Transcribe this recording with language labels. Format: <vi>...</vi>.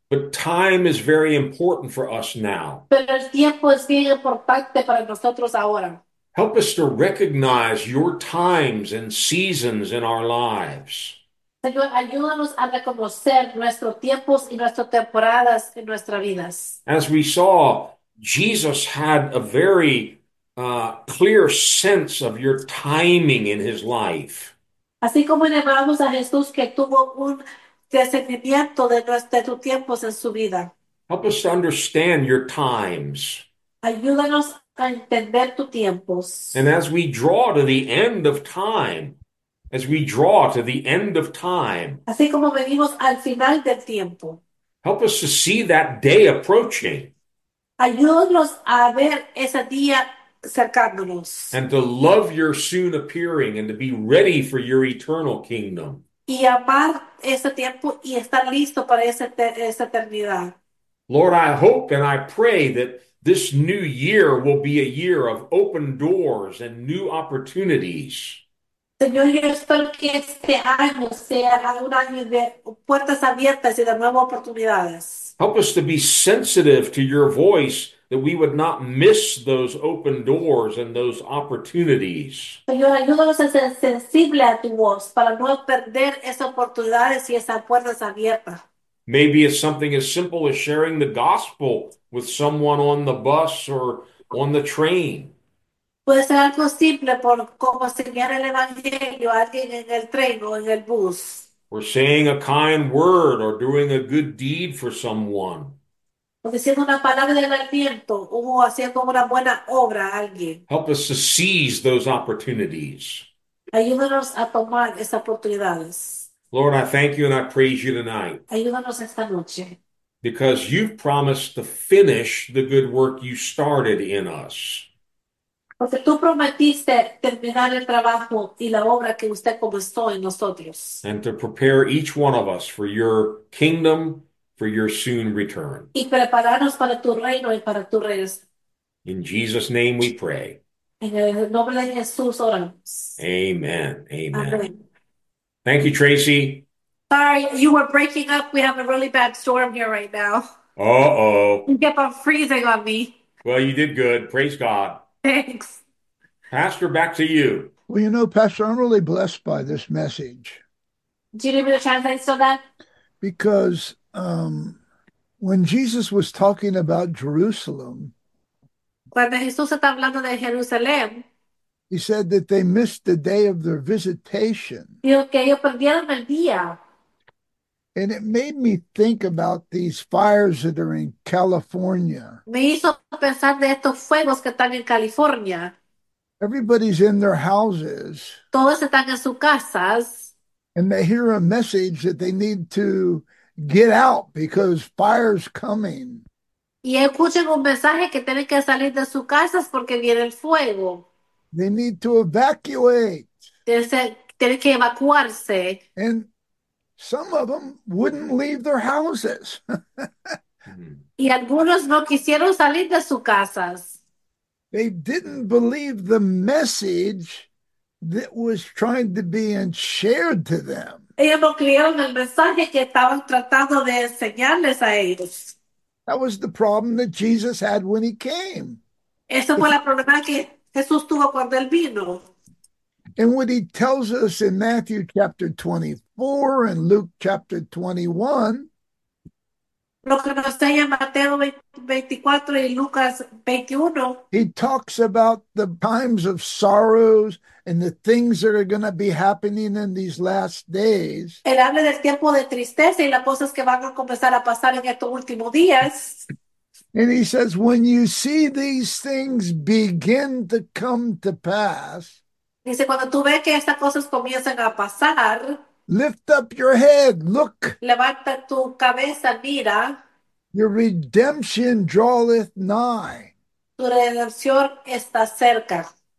<en>But time is very important for us now.</en> <es>Pero el tiempo es bien importante para nosotros ahora.</es> <en>Help us to recognize your times and seasons in our lives.</en> <es>Señor, ayúdanos a reconocer nuestros tiempos y nuestras temporadas en nuestras vidas.</es> <en>As we saw, Jesus had a very clear sense of your timing in his life.</en> <es>Así como llamamos a Jesús que tuvo un discernimiento de nuestros tiempos en su vida.</es> <en>Help us to understand your times.</en> <es>Ayúdanos a entender tus</es> <en>And</en> <es>tiempos.</es> <en>as we draw to the end of time, as we draw to the end of time,</en> <es>Así como venimos al final del tiempo.</es> <en>help us to see that day approaching</en> <es>Ayúdanos a ver ese día cercándonos.</es> <en>and to love your soon appearing and to be ready for your eternal kingdom.</en> <es>Y amar ese tiempo y estar listo para esa eternidad.</es> <en>Lord, I hope and I pray that this new year will be a year of open doors and new opportunities.</en> <es>Señor, yo espero que este año sea un año de puertas abiertas y de nuevas oportunidades.</es> <en>Help us to be sensitive to your voice that we would not miss those open doors and those opportunities.</en> <es>Señor, ayúdanos a ser sensible a tu voz para no perder esas oportunidades y esas puertas abiertas.</es> <en>Maybe it's something as simple as sharing the gospel with someone on the bus or on the train.</en> <es>Puede ser algo simple por cómo enseñar el evangelio a alguien en el tren o en el bus.</es> <en>Or saying a kind word or doing a good deed for someone.</en> <es>O diciendo una palabra de aliento o haciendo una buena obra a alguien.</es> <en>Help us to seize those opportunities.</en> <es>Ayúdanos a tomar esas oportunidades.</es> <en>Lord, I thank you and I praise you tonight.</en> <es>Ayúdanos esta noche.</es> <en>Because you've promised to finish the good work you started in us.</en> <es>Porque tú prometiste terminar el trabajo y la obra que usted comenzó en nosotros.</es> <en>And to prepare each one of us for your kingdom, for your soon return.</en> <es>Y prepararnos para tu reino y para tu regreso.</es> <en>In Jesus' name we pray.</en> <es>En el nombre de Jesús oramos.</es> <en>Amen. Amen.</en> <es>Amén.</es> <en>Thank you, Tracy. Sorry, you were breaking up. We have a really bad storm here right now. Uh-oh. You kept on freezing on me. Well, you did good. Praise God. Thanks. Pastor, back to you. Well, you know, Pastor, I'm really blessed by this message. Do you need me to translate so that? Because when Jesus was talking about Jerusalem,</en> <es>Cuando Jesús está hablando de Jerusalén,</es> <en>he said that they missed the day of their visitation.</en> <es>digo que ellos perdieron el día.</es> <en>And it made me think about these fires that are in California.</en> <es>Me hizo pensar de estos fuegos que están en California.</es> <en>Everybody's in their houses</en> <es>Todos están en sus casas.</es> <en>and they hear a message that they need to get out because fire's coming.</en> <es>Y escuchan un mensaje que tienen que salir de sus casas porque viene el fuego.</es> <en>They need to evacuate.</en> <es>Tienen que evacuarse.</es> <en>And some of them wouldn't leave their houses.</en> <es>Y algunos no quisieron salir de sus casas.</es> <en>They didn't believe the message that was trying to be and shared to them.</en> <es>Ellos no creyeron el mensaje que estaban tratando de enseñarles a ellos.</es> <en>That was the problem that Jesus had when he came.</en> <es>Eso fue la problema que Jesús tuvo cuando él vino.</es> <en>And what he tells us in Matthew chapter 24 and Luke chapter 21,</en> <es>Lo que nos enseña Mateo 24 y Lucas 21.</es> <en>he talks about the times of sorrows and the things that are going to be happening in these last days.</en> <es>Él habla del tiempo de tristeza y las cosas que van a comenzar a pasar en estos últimos días.</es> <en>He says, when you see these things begin to come to pass,</en> <es>Dice, cuando tú ves que estas cosas comienzan a pasar,</es> <en>lift up your head, look.</en> <es>levanta tu cabeza, mira.</es> <en>Your redemption draweth nigh.</en> <es>Tu redención está cerca.</es>